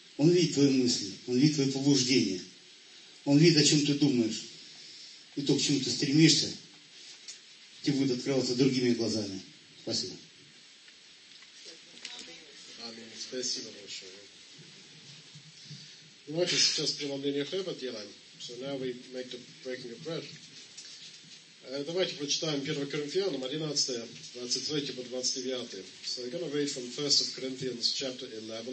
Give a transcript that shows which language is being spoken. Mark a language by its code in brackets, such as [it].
[ru] Он видит твои мысли, Он видит твои побуждения, Он видит, о чем ты думаешь. И то, к чему ты стремишься, тебе будет открываться другими глазами. Спасибо. Аминь. Спасибо большое. Давайте сейчас преломление хлеба делаем. [en] So now we make the breaking of bread. [ru] Давайте прочитаем 1 Коринфянам 11, 23 по 29. [en] So we're going to read from 1 Corinthians chapter 11.